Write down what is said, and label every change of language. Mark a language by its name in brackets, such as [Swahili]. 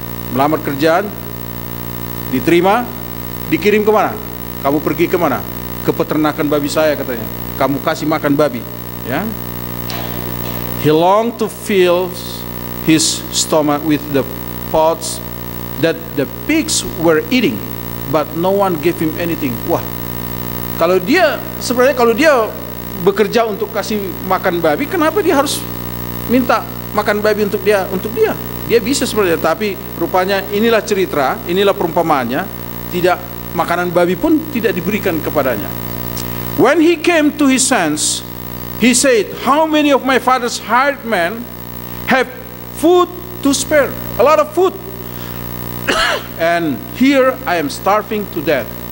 [Indonesian] Melamar kerjaan, diterima, dikirim kemana? Kamu pergi kemana? Ke peternakan babi saya, katanya. Kamu kasih makan babi, ya. [English] He longed to fill his stomach with the pods that the pigs were eating, but no one gave him anything. [Indonesian] Wah, kalau dia bekerja untuk kasih makan babi, kenapa dia harus minta makan babi untuk dia? Dia bisa sebenarnya, tapi rupanya inilah cerita, inilah perumpamaannya. Tidak, makanan babi pun tidak diberikan kepadanya. [English] When he came to his sons, he said, "How many of my father's hired men have food to spare? A lot of food. And here I am starving to death.